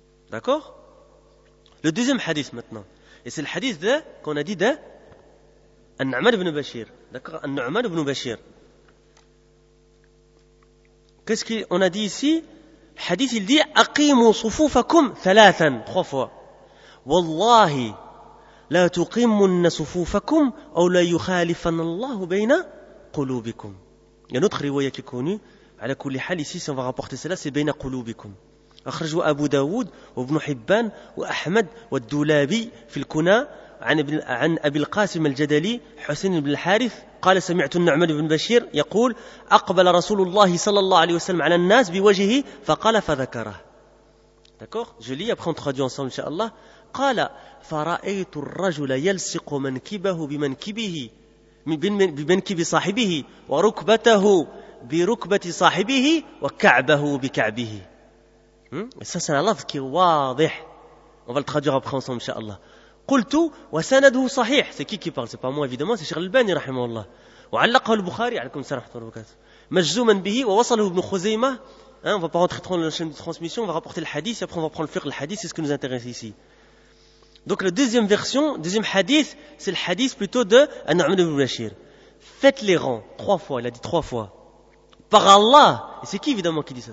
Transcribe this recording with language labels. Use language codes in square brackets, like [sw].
[fr] D'accord? Le deuxième hadith maintenant. Et c'est le hadith de, qu'on a dit de An-Nu'man ibn Bashir. D'accord? An-Nu'man ibn Bashir. Qu'est-ce qu'on a dit ici? Le hadith, il dit [ar] أقيموا صفوفكم ثلاثا, [fr] trois fois. [ar] والله لا تقيمن صفوفكم أو لا يخالفن الله بين قلوبكم. [fr] Il y a une autre riwaya qui est connue. [ar] على كل حال, [fr] ici, si on va rapporter cela, c'est [ar] بين قلوبكم. أخرجوا أبو داود وابن حبان وأحمد والدولابي في الكنى عن أبي القاسم الجدلي حسين بن الحارث قال سمعت النعمان بن بشير يقول أقبل رسول الله صلى الله عليه وسلم على الناس بوجهه فقال فذكره. [fr] D'accord, je lis, après on traduit ensemble inshallah. [ar] قال فرأيت الرجل يلصق منكبه بمنكبه بمنكب صاحبه وركبته بركبة صاحبه وكعبه بكعبه. [fr] Ça c'est un lafz qui est واضح. On va le traduire après ensemble inshallah. [ar] قلت وسنده صحيح. [fr] C'est qui parle? C'est pas moi évidemment, c'est Cheikh Al-Albani rahimahullah. [ar] وعلقه البخاري عليكم السلام ورحمة الله. مجزوما به ووصله ابن خزيمة. [fr] On va pas rentrer trop dans la chaîne de transmission, on va rapporter le hadith et après on va prendre le fiqh le hadith, c'est ce qui nous intéresse ici. Donc la deuxième version, deuxième hadith, c'est le hadith plutôt de An'am ibn Bashir. Faites les rangs trois fois, il a dit trois fois. Par Allah, et c'est qui évidemment qui dit ça?